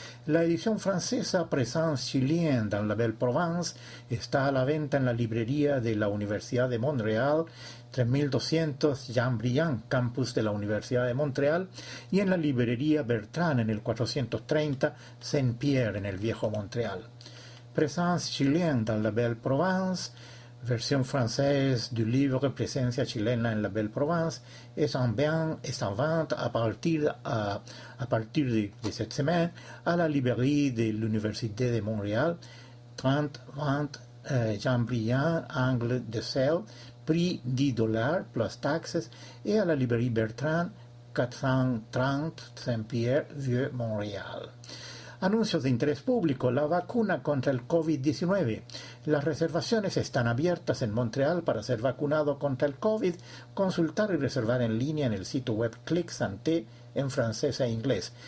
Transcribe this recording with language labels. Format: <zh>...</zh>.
<es>La edición francesa Présence-Julien dans la Belle Provence está a la venta en la librería de la Universidad de Montreal, 3200 Jean Brilliant, campus de la Universidad de Montreal, y en la librería Bertrand en el 430 Saint-Pierre en el Viejo Montreal.</es> <fr>Présence-Julien dans la Belle Provence, versión française du livre Presencia chilena en la Belle Provence, est en vente à partir de cette semaine à la librairie de l'Université de Montréal, 30-20 Jean Brilliant, angle de sel, prix 10$ plus taxes, et à la librairie Bertrand, 430 Saint-Pierre, Vieux Montréal.</fr> <es>Anuncios de interés público, la vacuna contra el COVID-19. Las reservaciones están abiertas en Montreal para ser vacunado contra el COVID. Consultar y reservar en línea en el sitio web Clic Santé en francés e inglés.</es>